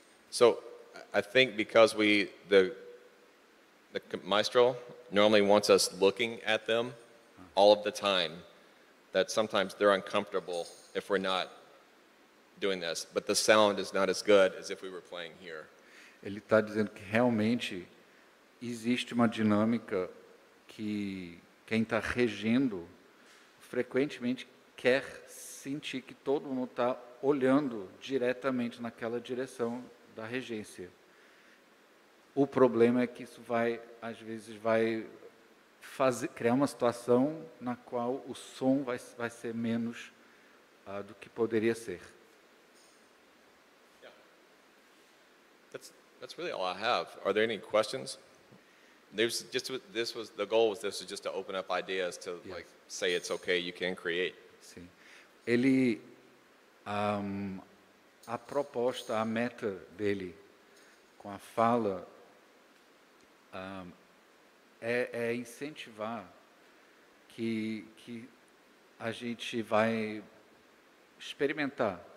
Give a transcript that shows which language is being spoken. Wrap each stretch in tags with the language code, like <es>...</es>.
<en>So I think because the maestro normally wants us looking at them all of the time, that sometimes they're uncomfortable if we're not doing this, but the sound is not as good as if we were playing here.</en> <pt>Ele está dizendo que realmente existe uma dinâmica que quem está regendo frequentemente quer sentir que todo mundo está olhando diretamente naquela direção da regência. O problema é que isso vai, às vezes, vai fazer, criar uma situação na qual o som vai ser menos do que poderia ser.</pt> <en>That's really all I have. Are there any questions? There's just this was the goal was this was just to open up ideas to yes. Like say it's okay, you can create.</en> <pt>Sim. Ele a proposta, a meta dele com a fala é incentivar que a gente vai experimentar.</pt>